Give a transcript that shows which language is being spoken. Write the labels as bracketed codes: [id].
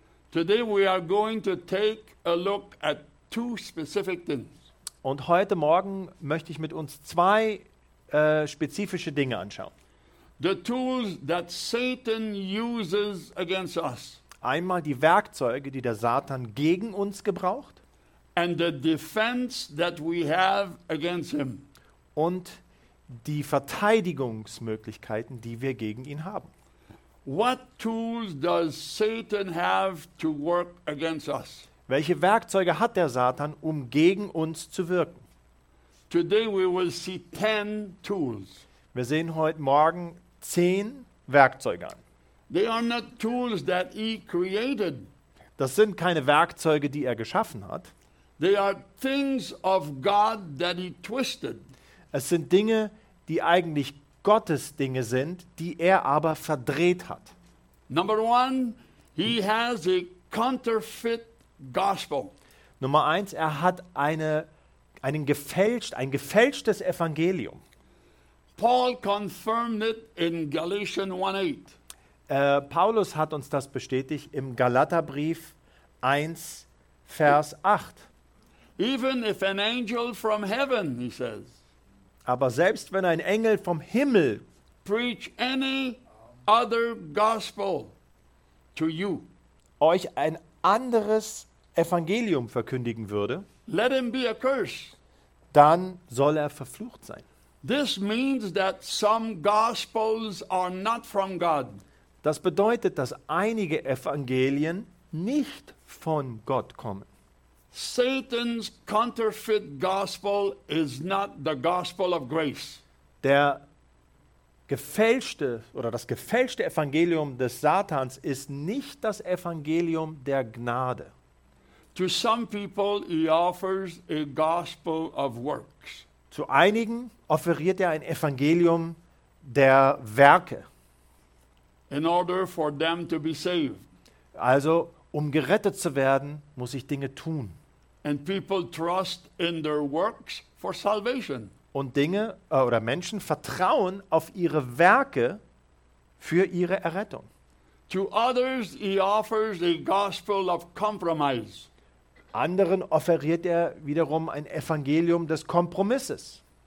[en] Today we are going to take a look at two specific things. [de] Und heute Morgen möchte ich mit uns zwei spezifische Dinge anschauen. [en] The tools that Satan uses against us. [de] Einmal die Werkzeuge, die der Satan gegen uns gebraucht. [en] And the defense that we have against him. [de] Und die Verteidigungsmöglichkeiten, die wir gegen ihn haben. [en] What tools does Satan have to work against us? [de] Welche Werkzeuge hat der Satan, um gegen uns zu wirken? [en] Today we will see 10 tools. [de] Wir sehen heute Morgen 10 Werkzeuge an. [en] They are not tools that he created. [de] Das sind keine Werkzeuge, die er geschaffen hat. [en] They are things of God that he twisted. [de] Es sind Dinge, die eigentlich Gottes Dinge sind, die er aber verdreht hat. [en] Number one, he has a counterfeit gospel. [de] Nummer eins, er hat ein gefälschtes Evangelium. [en] Paul confirmed it in Galatians 1:8. [de] Paulus hat uns das bestätigt im Galaterbrief 1, Vers 8. [en] Even if an angel from heaven, he says. [de] Aber selbst wenn ein Engel vom Himmel [en] preach any other gospel to you, [de] euch ein anderes Evangelium verkündigen würde, [en] let him be a curse. [de] Dann soll er verflucht sein. [en] This means that some gospels are not from God. [de] Das bedeutet, dass einige Evangelien nicht von Gott kommen. [en] Satan's counterfeit gospel is not the gospel of grace. [de] Der gefälschte oder das gefälschte Evangelium des Satans ist nicht das Evangelium der Gnade. [en] To some people he offers a gospel of works. [de] Zu einigen offeriert er ein Evangelium der Werke. [en] In order for them to be saved. [de] Also, um gerettet zu werden, muss ich Dinge tun. [en] And people trust in their works for salvation. [de] und Dinge oder Menschen vertrauen auf ihre Werke für ihre Errettung. [en] To others he offers a gospel of compromise. [de] Anderen offeriert er wiederum ein Evangelium des Kompromisses.